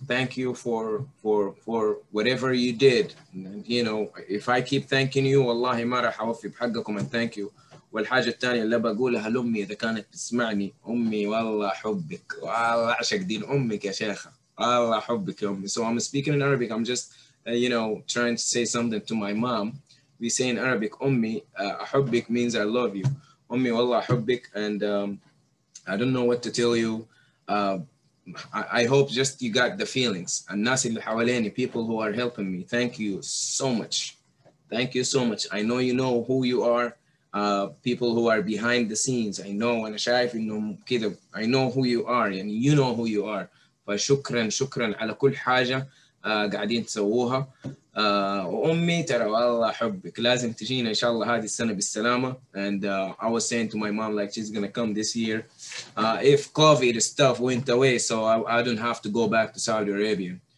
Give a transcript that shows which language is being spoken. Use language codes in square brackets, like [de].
[en] Thank you for whatever you did. And, you know, if I keep thanking you, [ar] wallahi ma rah awfi bhaqqakum, [en] and thank you. [ar] والحاجة الثانية اللي بقولها لأمي إذا كانت تسمعني أمي والله حبك والله عشق دين أمك يا شيخة والله حبك يا أمي. [en] So I'm speaking in Arabic. I'm just trying to say something to my mom, we say in Arabic, Ummi, Ahubbik means I love you. [ar] Ummi Wallah Ahubbik, [en] and I don't know what to tell you. I hope just you got the feelings. And [ar] Nasi Hawaleni, [en] people who are helping me, thank you so much. Thank you so much. I know you know who you are. People who are behind the scenes, I know, and Shaif, I know who you are, and you know who you are. [ar] فشكراً شكراً على كل حاجة قاعدين تسووها وأمي ترى والله حبك لازم تجينا إن شاء الله هذه السنة بالسلامة. [en] And I was saying to my mom like she's gonna come this year if COVID stuff went away, so I don't have to go back to Saudi Arabia.